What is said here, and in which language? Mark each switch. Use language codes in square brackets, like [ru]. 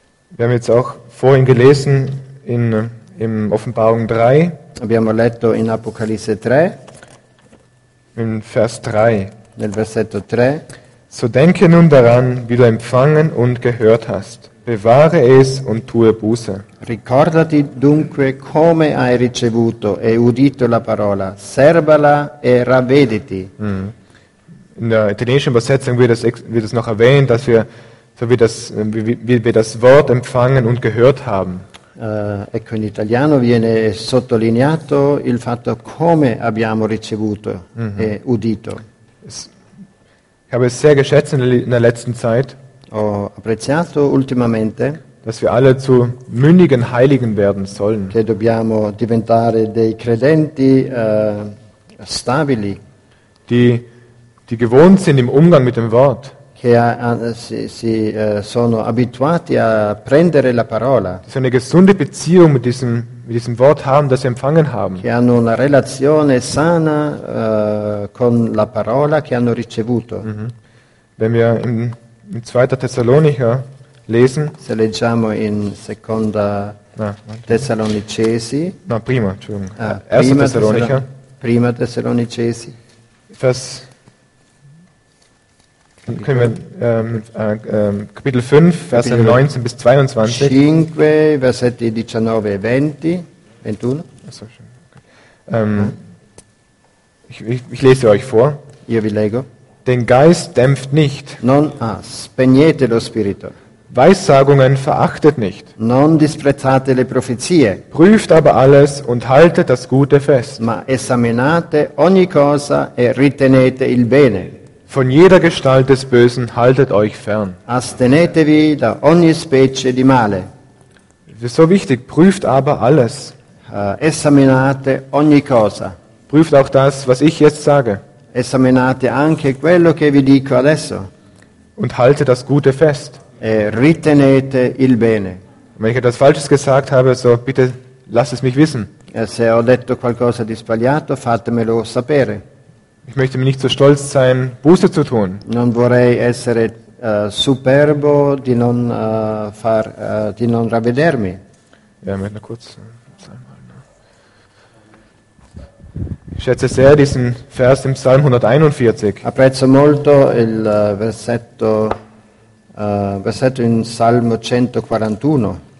[de] Wir haben jetzt auch vorhin gelesen in Offenbarung 3. [it] Abbiamo letto in Apocalisse 3. [de] In Vers 3. [it] Nel versetto 3. [de] So denke nun daran, wie du empfangen und gehört hast. Bewahre es und tue Buße. [it] Ricordati dunque come hai ricevuto e udito la parola. Serbala e ravvediti. [de] In der italienischen Übersetzung wird es noch erwähnt, dass wir so wie wir das Wort empfangen und gehört haben. [it] Ecco, in italiano viene sottolineato il fatto come abbiamo ricevuto e udito. [de] Ich habe es sehr geschätzt in der letzten Zeit, [it] ho apprezzato ultimamente, [de] dass wir alle zu mündigen Heiligen werden sollen. [it] Che dobbiamo diventare dei credenti stabili. [de] Die gewohnt sind im Umgang mit dem Wort. [it] Che sono abituati a prendere la parola. [de] Die so eine gesunde Beziehung mit diesem Wort haben, das sie empfangen haben. [it] Che hanno una relazione sana con la parola che hanno ricevuto. [de] Wenn wir in 2. Thessalonicher lesen. [it] Se leggiamo in Seconda Thessalonicesi. [de] Na, [it] prima, [de] Entschuldigung. [it] Prima [de] Thessalonicher. [it] Prima Thessalonicesi. [de] Vers. Können wir Kapitel 5, Verse 19 bis 22. [it] 5, Versetti 19 e 20, 21. [de] Achso, schön. Okay. Ich lese euch vor. [it] Io vi leggo. [de] Den Geist dämpft nicht. [it] Non spegnete lo spirito. [de] Weissagungen verachtet nicht. [it] Non disprezzate le profezie. [de] Prüft aber alles und haltet das Gute fest. [it] Ma esaminate ogni cosa e ritenete il bene. [de] Von jeder Gestalt des Bösen haltet euch fern. [it] Astenetevi da ogni specie di male. [de] Es ist so wichtig, prüft aber alles. [it] Esaminate ogni cosa. [de] Prüft auch das, was ich jetzt sage. [it] Esaminate anche quello che vi dico adesso. [de] Und haltet das Gute fest. [it] E ritenete il bene. [de] Wenn ich etwas Falsches gesagt habe, so bitte lasst es mich wissen. [it] Se ho detto qualcosa di sbagliato, fatemelo sapere. [de] Ich möchte mir nicht so stolz sein, Buße zu tun. [it] Non vorrei essere superbo di non far di non ravvedermi. [de] Ja, meine kurz. Ich schätze sehr diesen Vers im Psalm 141. [it] Apprezzo molto il versetto in Salmo 141.